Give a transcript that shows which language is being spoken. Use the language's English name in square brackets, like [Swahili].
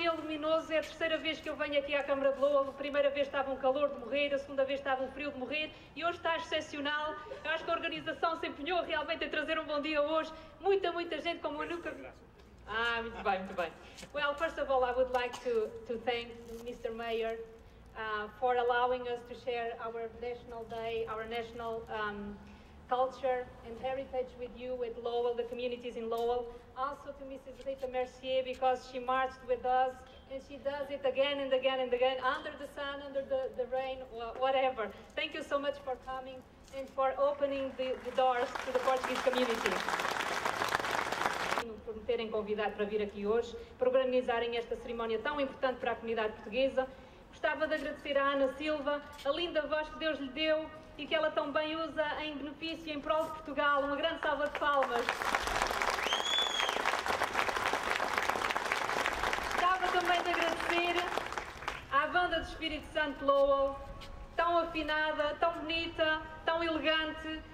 [Portuguese] dele luminoso. É a terceira vez que eu venho aqui à Câmara de Lowell. A primeira vez estava um calor de morrer, a segunda vez estava um frio de morrer e hoje está excepcional. Eu acho que a organização se empenhou realmente a trazer um bom dia hoje. Muita, muita gente como eu nunca... Ah, muito bem, muito bem. [English] Well, first of all, I would like to thank Mr. Mayor for allowing us to share our National Day, our national culture and heritage with you, with Lowell, the communities in Lowell. Also to Mrs. Rita Mercier, because she marched with us, and she does it again and again and again, under the sun, under the rain, whatever. Thank you so much for coming and for opening the doors to the Portuguese community. [Portuguese] Por me terem convidado para vir aqui hoje, para organizarem esta cerimónia tão importante para a comunidade portuguesa. Gostava de agradecer à Ana Silva, a linda voz que Deus lhe deu e que ela tão bem usa em benefício e em prol de Portugal. Uma grande salva de palmas. Gostava também de agradecer à banda do Espírito Santo Lowell, tão afinada, tão bonita, tão elegante.